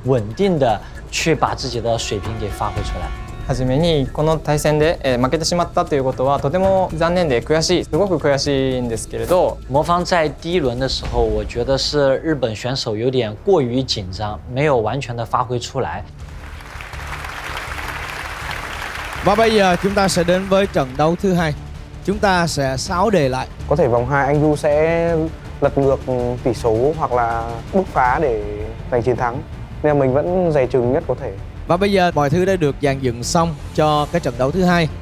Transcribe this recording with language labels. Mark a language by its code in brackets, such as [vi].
[zh] 就是我没有想到他面对一个经比赛经验如此丰富的对手，他还能够很稳定的去把自己的水平给发挥出来。 [ja] 初めにこの対戦で負けてしまったということはとても残念で悔しい、すごく悔しいんですけれど。 [zh] 魔方在第一轮的时候，我觉得是日本选手有点过于紧张，没有完全的发挥出来。 [vi] Và bây giờ chúng ta sẽ đến với trận đấu thứ hai. Chúng ta sẽ 6 đề lại. Có thể vòng 2 anh Du sẽ lật ngược tỷ số hoặc là bứt phá để giành chiến thắng. Nên mình vẫn dè chừng nhất có thể. Và bây giờ mọi thứ đã được dàn dựng xong cho cái trận đấu thứ hai.